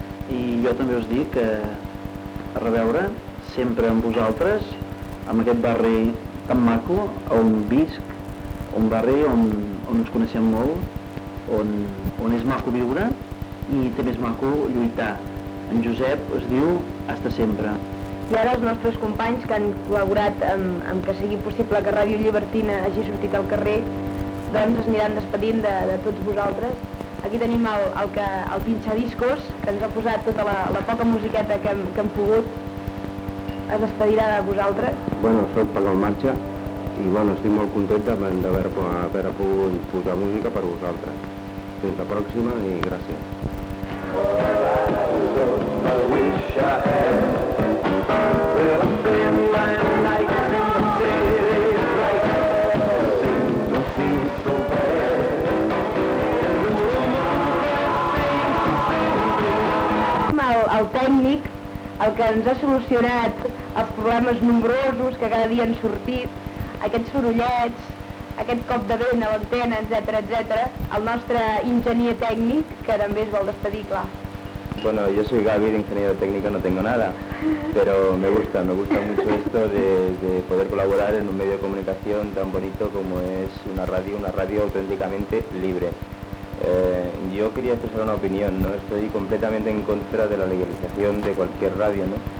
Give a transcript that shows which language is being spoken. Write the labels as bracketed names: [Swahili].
[Catalan] I jo també us dic que a reveure sempre amb vosaltres, amb aquest barri tan maco, on visc, un barri on ens coneixem molt, on és maco viure i també és maco lluitar. En Josep es diu hasta sempre. I ara els nostres companys que han col·laborat amb que sigui possible que Ràdio Llibertina hagi sortit al carrer, doncs es aniran despedint de tots vosaltres. Aquí tenim el pinxadiscos, que ens ha posat tota la poca musiqueta que hem pogut. Es despedirà de vosaltres. Bueno, sóc per la marxa i bueno, estic molt content d'haver pogut posar música per vosaltres. Fins la pròxima i gràcies. El tècnic, el que ens ha solucionat els problemes nombrosos que cada dia han sortit, aquests sorollets, aquest cop de vent a l'antena, etc, etc, el nostre enginyer tècnic, que també es vol despedir, clar. [Spanish] Bueno, yo soy Gaby, de ingeniero técnico no tengo nada, pero me gusta mucho esto de poder colaborar en un medio de comunicación tan bonito como es una radio auténticamente libre. Yo quería expresar una opinión, ¿no? Estoy completamente en contra de la legalización de cualquier radio, ¿no?